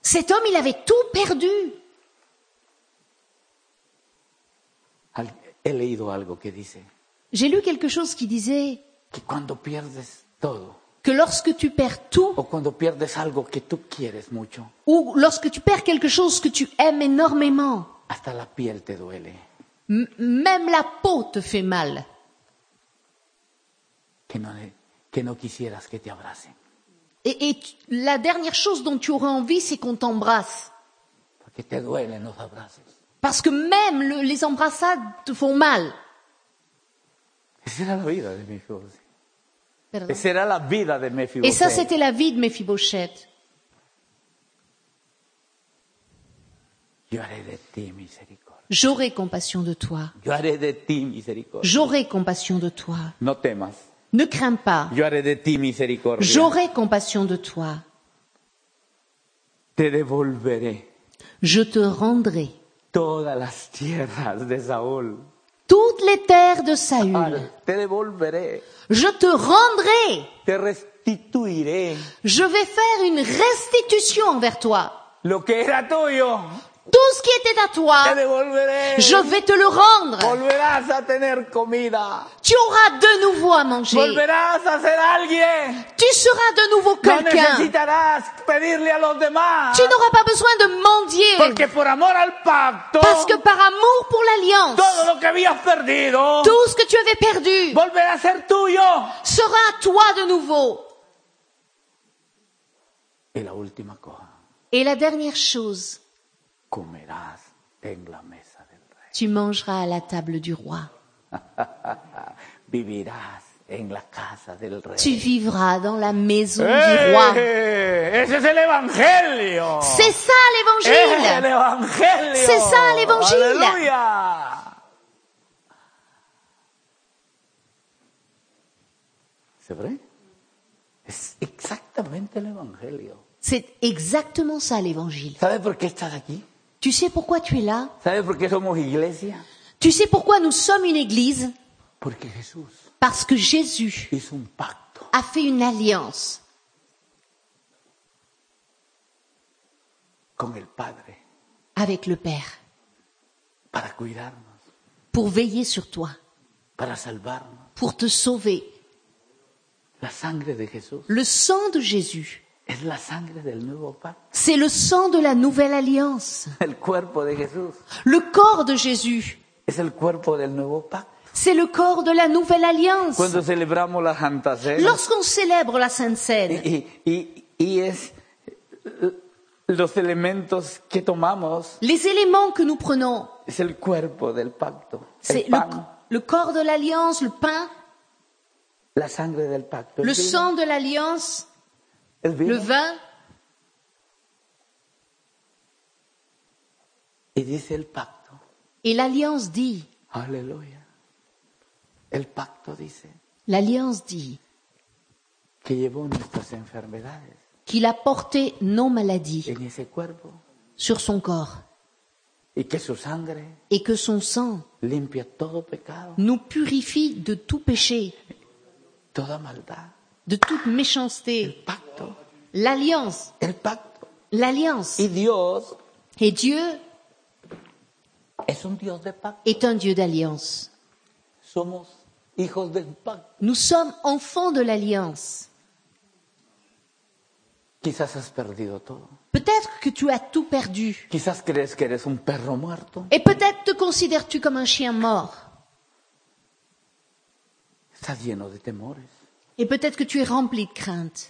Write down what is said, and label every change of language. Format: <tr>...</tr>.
<fr>Cet homme, il avait tout perdu.</fr> <es>He leído algo que dice.</es> <fr>J'ai lu quelque chose qui disait</fr> <es>que cuando pierdes todo,</es> <fr>que lorsque tu perds tout,</fr> <es>o cuando pierdes algo que tú quieres mucho,</es> <fr>ou lorsque tu perds quelque chose que tu aimes énormément,</fr> <es>hasta la piel te duele.</es> <fr>Même la peau te fait mal.</fr> <es>Que no quisieras que te abracen.</es> <fr>Et la dernière chose dont tu aurais envie, c'est qu'on t'embrasse.</fr> <es>Porque te duelen los abrazos.</es> <fr>Parce que même les embrassades te font mal.</fr> <es>Esa era la vida de Mephibosheth. Esa era la vida de Mephibosheth.</es> <fr>Et ça, c'était la vie de Mephibosheth.</fr> <es>Yo haré de ti misericordia.</es> <fr>J'aurai compassion de toi.</fr> <es>Yo haré de ti misericordia.</es> <fr>J'aurai compassion de toi.</fr> <es>No temas.</es> <fr>Ne crains pas.</fr> <es>Yo haré de ti misericordia.</es> <fr>J'aurai compassion de toi.</fr> <es>Te devolveré.</es> <fr>Je te rendrai.</fr> <es>Todas las tierras de Saúl.</es> <fr>Toutes les terres de Saül.</fr> <es>Te devolveré.</es> <fr>Je te rendrai.</fr> <es>Te restituirai.</es> <fr>Je vais faire une restitution envers toi.</fr> <es>Lo que era tuyo.</es> <fr>Tout ce qui était à toi.</fr> <es>Te devolveré.</es> <fr>Je vais te le rendre.</fr> <es>Volverás a tener comida.</es> <fr>Tu auras de nouveau à manger.</fr> <es>Volverás a ser alguien.</es> <fr>Tu seras de nouveau quelqu'un.</fr> <es>No necesitarás pedirle a los demás.</es> <fr>Tu n'auras pas besoin de mendier.</fr> <es>Porque por amor al pacto.</es> <fr>Parce que par amour pour l'alliance.</fr> <es>Todo lo que habías perdido.</es> <fr>Tout ce que tu avais perdu.</fr> <es>Volverá a ser tuyo.</es> <fr>Sera à toi de nouveau.</fr> <es>Et la última cosa.</es> <fr>Et la dernière chose.</fr> <es>Comerás en la mesa del rey.</es> <fr>Tu mangeras à la table du roi.</fr> <es>Vivirás en la casa del rey.</es> <fr>Tu vivras dans la maison du roi.</fr> <es>Ese es el evangelio.</es> <fr>C'est ça l'évangile.</fr> <es>Es el evangelio.</es> <fr>C'est ça l'évangile.</fr> <es>Aleluya.</es> <fr>C'est vrai?</fr> <es>Es exactamente el evangelio.</es> <fr>C'est exactement ça l'évangile.</fr> <es>¿Sabes por qué estás aquí?</es> <fr>Tu sais pourquoi tu es là?</fr> <es>¿Sabes por qué somos iglesia?</es> <fr>Tu sais pourquoi nous sommes une église?</fr> <es>Porque Jesús.</es> <fr>Parce que Jésus</fr> <es>hizo un pacto.</es> <fr>A fait une alliance.</fr> <es>Con el Padre.</es> <fr>Avec le Père.</fr> <es>Para cuidarnos.</es> <fr>Pour veiller sur toi.</fr> <es>Para salvarnos.</es> <fr>Pour te sauver.</fr> <es>La sangre de Jesús.</es> <fr>Le sang de Jésus.</fr> <es>Es la sangre del nuevo pacto.</es> <fr>C'est le sang de la nouvelle alliance.</fr> <es>El cuerpo de Jesús.</es> <fr>Le corps de Jésus.</fr> <es>Es el cuerpo del nuevo pacto.</es> <fr>C'est le corps de la nouvelle alliance.</fr> <es>Cuando celebramos la Santa Cena.</es> <fr>Lorsqu'on célèbre la Sainte Cène.</fr> <es>Y es los elementos que tomamos.</es> <fr>Les éléments que nous prenons.</fr> <es>Es el cuerpo del pacto.</es> <fr>C'est</fr> <es>el pan.</es> <fr>Le corps de l'alliance, le pain.</fr> <es>La sangre del pacto.</es> <fr>Le sang de l'alliance. Le vin. Et dit le pacte. Et l'alliance dit.</fr> <es>Alléluia. El pacto dice.</es> <fr>L'alliance dit.</fr> <es>Que llevó nuestras enfermedades.</es> <fr>Qu'il a porté nos maladies.</fr> <es>En ese cuerpo.</es> <fr>Sur son corps.</fr> <es>Y que su sangre.</es> <fr>Et que son sang.</fr> <es>Limpia todo pecado.</es> <fr>Nous purifie de tout péché.</fr> <es>Toda maldad.</es> <fr>De toute méchanceté.</fr> <es>El pacto.</es> <fr>L'alliance.</fr> <es>El pacto.</es> <fr>L'alliance. Et Dieu. Et Dieu.</fr> <es>Es un Dios de pacto.</es> <fr>Est un Dieu d'alliance.</fr> <es>Somos hijos del pacto.</es> <fr>Nous sommes enfants de l'alliance.</fr> <es>Quizás has perdido todo.</es> <fr>Peut-être que tu as tout perdu.</fr> <es>Quizás crees que eres un perro muerto.</es> <fr>Et peut-être te considères-tu comme un chien mort.</fr> <es>Estás lleno de temores.</es> <fr>Et peut-être que tu es rempli de craintes.</fr>